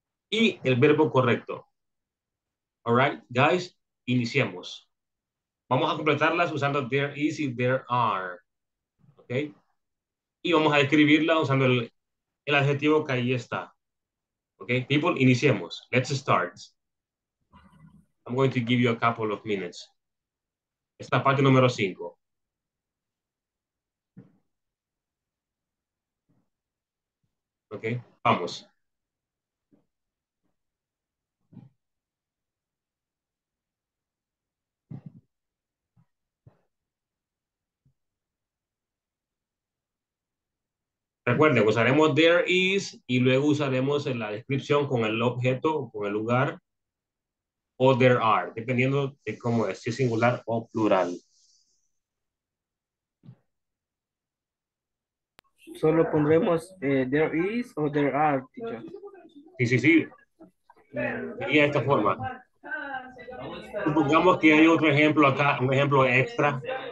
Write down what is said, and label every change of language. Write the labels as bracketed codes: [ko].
[es] Y el verbo correcto. [en] All right, guys, [es] iniciemos. Vamos a completarlas usando there is y there are. ¿Ok? Y vamos a describirla usando el adjetivo que ahí está. [en] ¿Ok? People, [es] iniciemos. [en] Let's start. I'm going to give you a couple of minutes. [es] Esta parte número 5. ¿Ok? Vamos. Recuerden, usaremos there is y luego usaremos en la descripción con el objeto, con el lugar, o there are, dependiendo de cómo es, si es singular o plural. Solo pondremos there is o there are, teacher. Sí, sí, sí. Y de esta forma. Supongamos que hay otro ejemplo acá, un ejemplo extra.